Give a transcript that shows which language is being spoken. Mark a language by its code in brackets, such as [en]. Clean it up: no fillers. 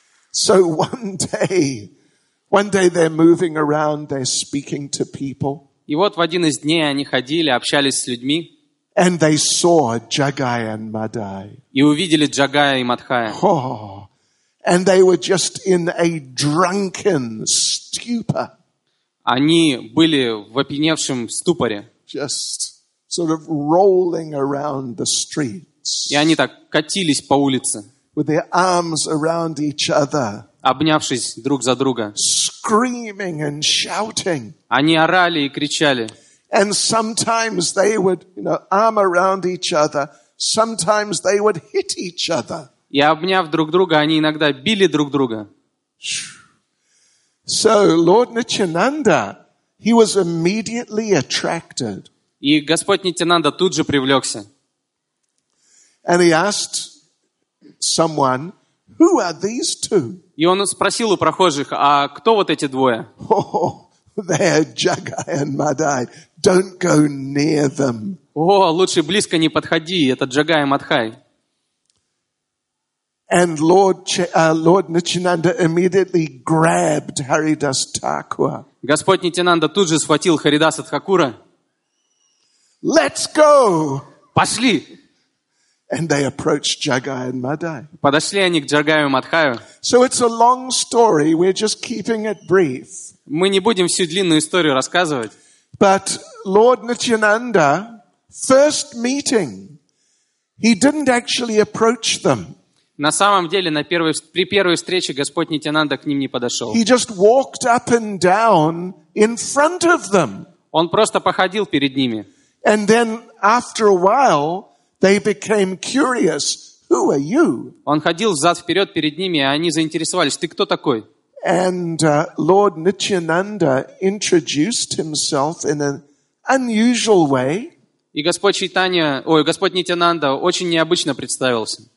[en] So one day they're moving around, they're speaking to people. [ru] И вот в один из дней они ходили, общались с людьми. [en] And they saw Jagai and Madhai. [ru] И увидели Джагая и Мадхая. [en] Oh, and they were just in a drunken stupor. [ru] они были в опьяневшем ступоре. [en] Just sort of rolling around the streets. [ru] И они так катились по улице. [en] With their arms around each other. [ru] Обнявшись друг за друга. [en] Screaming and shouting. [ru] Они орали и кричали. [en] And sometimes they would, you know, arm around each other. Sometimes they would hit each other. [ru] И обняв друг друга, они иногда били друг друга. [en] So Lord Nityananda, he was immediately attracted. [ru] И Господь Нитянанда тут же привлекся. [en] And he asked someone, "Who are these two?" [ru] И он спросил у прохожих, а кто вот эти двое? [en] They're Jagai and Madhai. Don't go near them. [ru] О, лучше близко не подходи, это Джагай и Мадхай. [en] And Lord Nityananda immediately grabbed Haridas Thakura. [ru] Господь Нитянанда тут же схватил Харидаса Тхакура. [en] Let's go. [ru] Пошли. [en] And they approached Jagai and Madhai. [ru] Подошли они к Джагаю и Мадхаю. [en] So it's a long story. We're just keeping it brief. [ru] Мы не будем всю длинную историю рассказывать. [en] But Lord Nityananda, first meeting, he didn't actually approach them. [ru] На самом деле, при первой встрече Господь Нитянанда к ним не подошел. [en] He just walked up and down in front of them. [ru] Он просто походил перед ними. [en] And then after a while, they became curious. Who are you? [ru] Он ходил взад-вперед перед ними, и они заинтересовались. Ты кто такой? [en] And Lord Nityananda introduced himself in an unusual way. [ru] И Господь Чайтанья, Господь Нитянанда очень необычно представился.